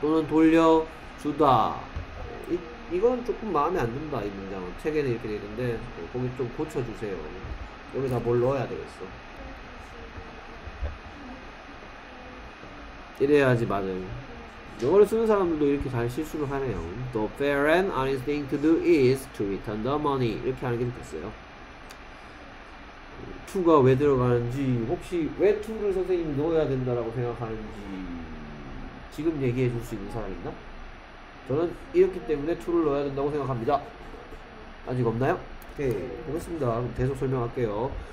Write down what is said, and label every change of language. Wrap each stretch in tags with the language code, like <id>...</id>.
<ko>또는 돌려주다. 이건 조금 마음에 안 든다. 이 문장은. 책에는 이렇게 되어 있는데, 거기 좀 고쳐주세요. 오늘 다 뭘 넣어야 되겠어. 이래야지 맞아요. 영어를 쓰는 사람들도 이렇게 잘 실수를 하네요.</ko> <en>The fair and honest thing to do is to return the money.</en> <ko>이렇게 하는 게 좋겠어요. to가 왜 들어가는지, 혹시 왜 to를 선생님이 넣어야 된다라고 생각하는지 지금 얘기해 줄 수 있는 사람 있나? 저는 이렇기 때문에 to를 넣어야 된다고 생각합니다. 아직 없나요? 오케이. 그렇습니다. 계속 설명할게요.</ko>